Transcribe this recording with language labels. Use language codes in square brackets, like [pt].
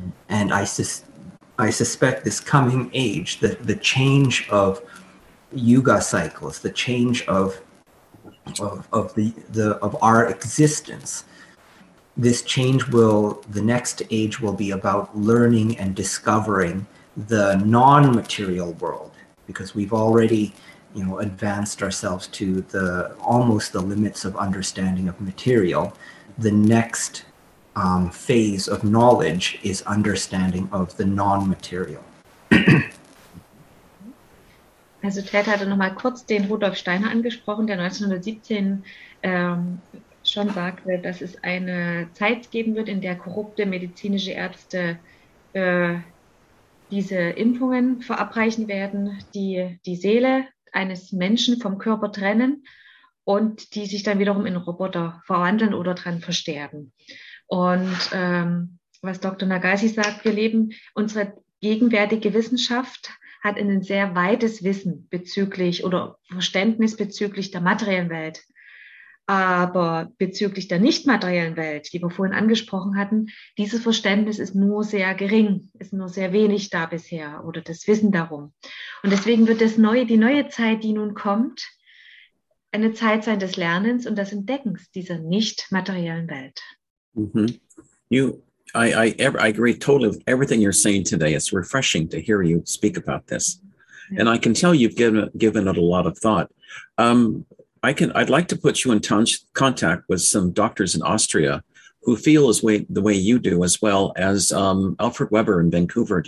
[en] And I suspect this coming age, the change of yuga cycles, the change of our existence, this change will, the next age will be about learning and discovering the non-material world, because we've already advanced ourselves to almost the limits of understanding of material. The next phase of knowledge is understanding of the non-material. [de] Also Ted hatte nochmal kurz den Rudolf Steiner angesprochen, der 1917 schon sagte, dass es eine Zeit geben wird, in der korrupte medizinische Ärzte diese Impfungen verabreichen werden, die die Seele eines Menschen vom Körper trennen und die sich dann wiederum in Roboter verwandeln oder dran versterben. Und was Dr. Nagasi sagt, wir leben, unsere gegenwärtige Wissenschaft hat ein sehr weites Wissen bezüglich oder Verständnis bezüglich der materiellen Welt. Aber bezüglich der nicht materiellen Welt, die wir vorhin angesprochen hatten, dieses Verständnis ist nur sehr gering, ist nur sehr wenig da bisher oder das Wissen darum. Und deswegen wird die neue Zeit, die nun kommt, eine Zeit sein des Lernens und des Entdeckens dieser nicht materiellen Welt. Mm-hmm. [en] I agree totally with everything you're saying today. It's refreshing to hear you speak about this. And I can tell you've given it a lot of thought. I'd like to put you in contact with some doctors in Austria who feel the way you do, as well as Alfred Weber in Vancouver.